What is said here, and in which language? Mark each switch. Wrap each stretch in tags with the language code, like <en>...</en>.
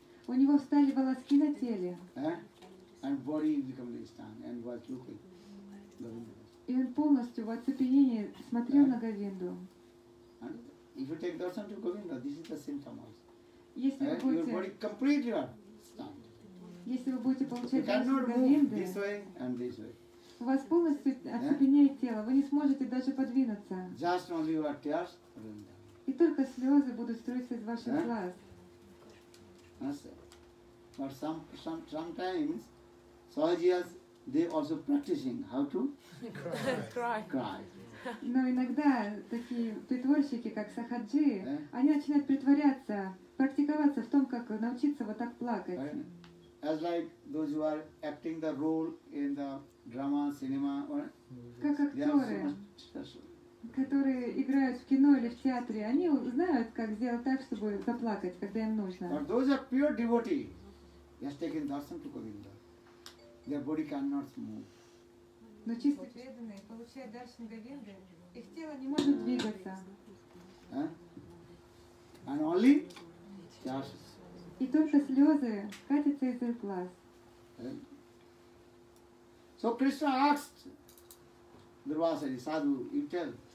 <ru>у него встали волоски на теле.</ru> <en>And body becoming stand and was looking.</en> <ru>И он полностью в оцепенении смотрел на Говинду.</ru> <en>If you take darshan to Govinda, this is the symptom also.</en> <ru>Если вы будете,</ru> <en>your body completely stunned.</en> <ru>Если вы будете получать darshan Говинды,</ru> <en>this way and this way.</en> <ru>У вас полностью оцепенеет тело, вы не сможете даже подвинуться.</ru> <en>Just only your tears.</en> <ru>И только слезы будут струиться из ваших глаз.</ru> <en>But sometimes, sojias, they also practicing how to cry.</en> <ru>Но иногда такие притворщики, как сахаджи, они начинают притворяться, практиковаться в том, как научиться вот так плакать.</ru> <en>As like those who are acting the role in the drama, cinema, or</en> <ru>как актеры, которые играют в кино или в театре, они знают, как сделать так, чтобы заплакать, когда им нужно.</ru> <en>But those are pure devotee. They have taken darshan to Govinda. Their body cannot move.</en> <ru>Но чисто преданные, получая даршан Говинды, их тело не может двигаться.</ru> <en>And only tears.</en> <ru>И только слезы катятся из их глаз.</ru> <en>So Krishna asked Durvasa Rishi, sadhu, you tell.</en>